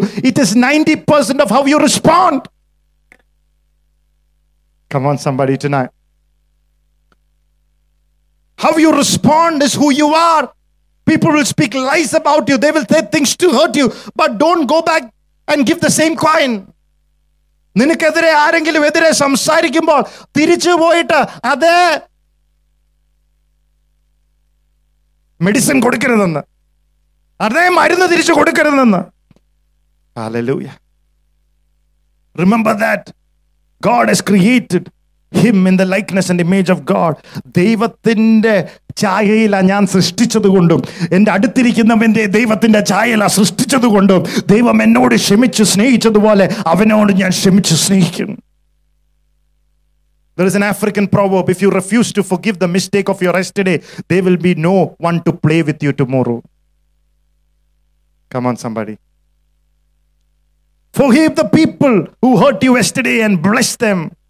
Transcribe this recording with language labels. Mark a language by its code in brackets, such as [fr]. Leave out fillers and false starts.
[en] It is 90% of how you respond. Come on, somebody tonight. How you respond is who you are. People will speak lies about you. They will say things to hurt you. But don't go back and give the same coin. [ml] നിനക്കെതിരെ ആരെങ്കിലും എതിരെ സംസാരിക്കുമ്പോൾ തിരിച്ചു പോയിട്ട് അതേ medicine കൊടുക്കരുതെന്ന്, അതേ മരുന്ന് തിരിച്ചു കൊടുക്കരുതെന്ന്. [en] Hallelujah. Remember that God has created him in the likeness and image of God. [ml] ദൈവത്തിന്റെ ഛായയില ഞാൻ സൃഷ്ടിച്ചതുകൊണ്ടും എൻ്റെ അടുത്തിരിക്കുന്നവൻ്റെ ദൈവത്തിൻ്റെ ഛായയില സൃഷ്ടിച്ചതുകൊണ്ടും ദൈവം എന്നോട് ക്ഷമിച്ച് സ്നേഹിച്ചതുപോലെ അവനോട് ഞാൻ ക്ഷമിച്ച് സ്നേഹിക്കുന്നു. [en] There is an African proverb, if you refuse to forgive the mistake of your yesterday, there will be no one to play with you tomorrow. Come on, somebody. Forgive the people who hurt you yesterday and bless them.